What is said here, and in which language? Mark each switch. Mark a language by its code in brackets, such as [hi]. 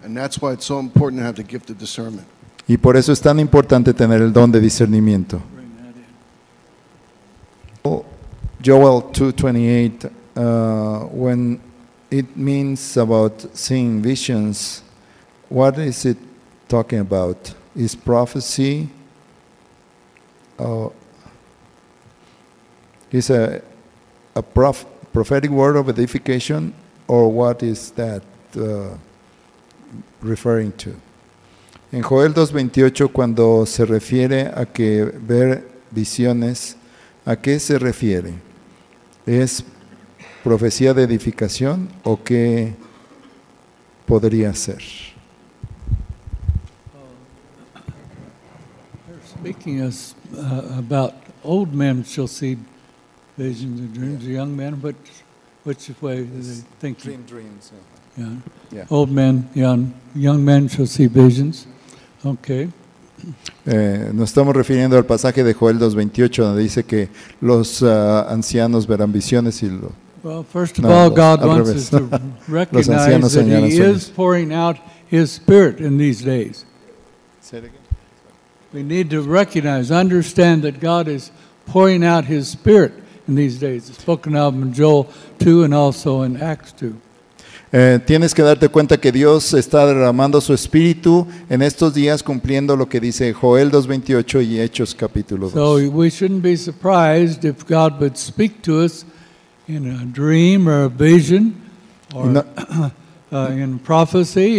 [en] And that's why it's so important to have the gift of discernment. [es] Y por eso es tan importante tener el don de discernimiento. [en] Joel 2:28, when it means about seeing visions, what is it talking about? Is prophecy? Is a prophetic word of edification, or what is that referring to? [es] En Joel 2:28, cuando se refiere a que ver visiones, ¿a qué se refiere? ¿Es profecía de edificación o qué podría ser? [en] They're speaking us about old men shall see visions and dreams. Yeah. Young men, which way do they think? Dreams. Yeah. Old men, young men shall see visions. Okay. [es] Nos estamos refiriendo al pasaje de Joel 2:28 donde dice que los ancianos verán visiones y lo. [en] Well, first of all, God wants us to recognize that He is pouring out His Spirit in these days. Say it again. We need to recognize, understand that God is pouring out His Spirit in these days. It's spoken of in Joel 2 and also in Acts 2. [es] Tienes que darte cuenta que Dios está derramando su espíritu en estos días cumpliendo lo que dice Joel 2:28 y Hechos capítulo 2. [en] So we shouldn't be surprised if God would speak to us in a dream or a vision or in prophecy.